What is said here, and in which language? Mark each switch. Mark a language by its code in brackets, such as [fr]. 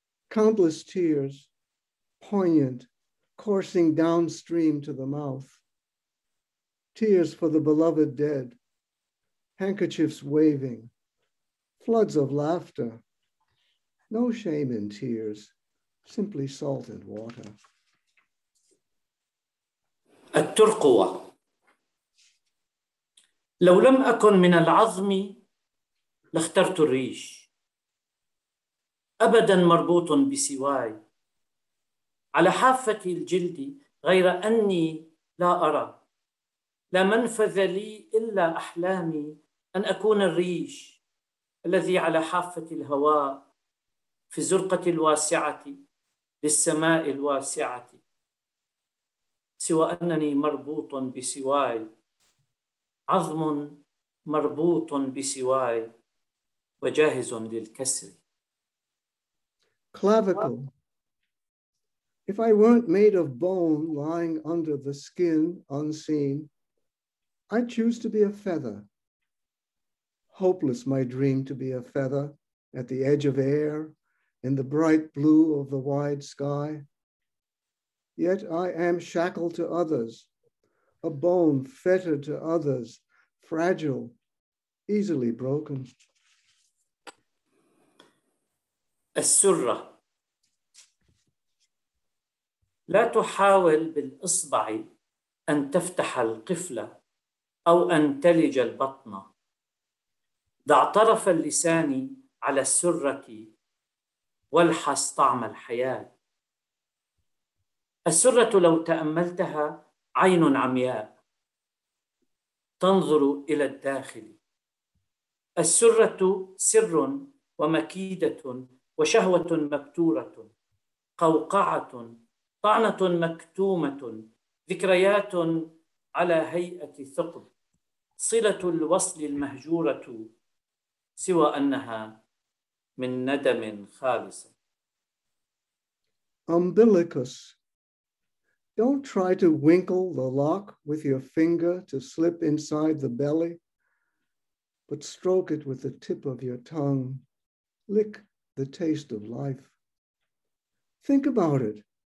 [en] Countless tears, poignant, coursing downstream to the mouth. Tears for the beloved dead, handkerchiefs waving. Floods of laughter, no shame in tears, simply salt and water. [ar] الترقوة لو لم أكن من العظم لاخترت الريش أبدا مربوط بسواي على حافة الجلد غير أني لا أرى لا منفذ لي إلا أحلامي أن أكون الريش الذي على حافة الهواء في الزرقة الواسعة للسماء الواسعة سوى أنني مربوط بسواي عظم مربوط بسواي وجاهز للكسر [en] Clavicle. If I weren't made of bone lying under the skin unseen, I'd choose to be a feather. Hopeless my dream to be a feather at the edge of air, in the bright blue of the wide sky. Yet I am shackled to others, a bone fettered to others, fragile, easily broken. [ar] السرة لا تحاول بالإصبع أن تفتح القفلة أو أن تلج البطن. ضع طرف اللسان على السرة والحص طعم الحياة السرة لو تأملتها عين عمياء تنظر إلى الداخل السرة سر ومكيدة وشهوة مبتورة قوقعة طعنة مكتومة ذكريات على هيئة ثقب صلة الوصل المهجورة سوى أنها من ندم خالص. [en] Umbilicus. Don't try to winkle the lock with your finger to slip inside the belly, but stroke it with the tip of your tongue. Lick the taste of life. Think about it.